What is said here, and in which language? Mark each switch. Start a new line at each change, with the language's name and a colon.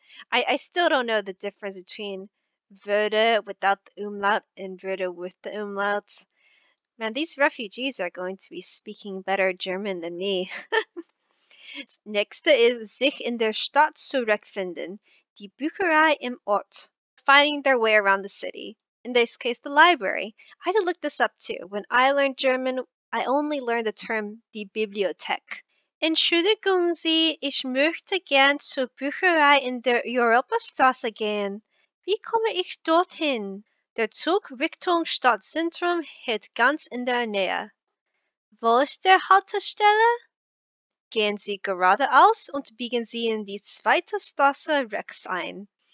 English: I still don't know the difference between würde without the umlaut and würde with the umlaut. Man, these refugees are going to be speaking better German than me. Next is
German: sich in der Stadt zurechtfinden, die Bücherei im Ort.
English: Finding their way around the city. In this case, the library. I had to look this up too. When I learned German, I only learned the term die Bibliothek.
German: Entschuldigung Sie, ich möchte gern zur Bücherei in der Europastraße gehen. Wie komme ich dorthin? Der Zug Richtung Stadtzentrum hält ganz in der Nähe. Wo ist der Haltestelle? Gehen Sie geradeaus und biegen Sie in die zweite Straße rechts ein.